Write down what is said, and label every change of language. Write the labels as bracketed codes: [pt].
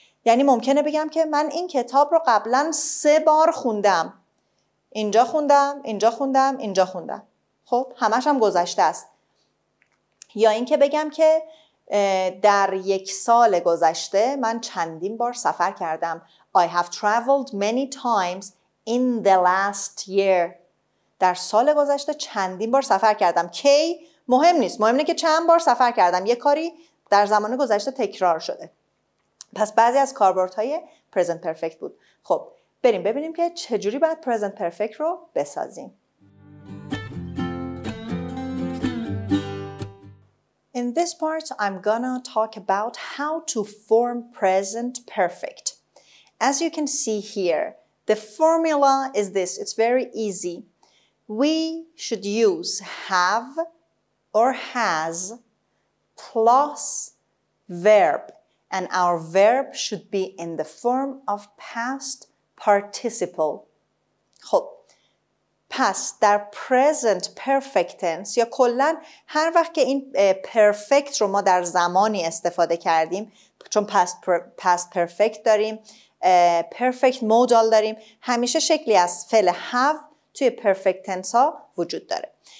[fa] یعنی ممکنه بگم که من این کتاب رو قبلا 3 بار خوندم. اینجا خوندم، اینجا خوندم، اینجا خوندم. خب همش هم گذشته است. یا اینکه بگم که در 1 سال گذشته من چندین بار سفر کردم. [en] I have traveled many times in the last year. [fa] در سال گذشته چندین بار سفر کردم. کی مهم نیست. مهم اینه که چند بار سفر کردم. یه کاری در زمان گذشته تکرار شده. پس بعضی از کاربردهای present perfect بود. خب بریم ببینیم که چجوری باید present perfect رو بسازیم. [en] In this part I'm gonna talk about how to form present perfect. As you can see here, the formula is this. It's very easy. We should use have or has plus verb. And our verb should be in the form of past participle. [fa] خب پس در present perfect tense یا کلن هر وقت که این perfect رو ما در زمانی استفاده کردیم چون past perfect داریم perfect modal داریم همیشه شکلی از فعل have توی perfect tense ها وجود داره.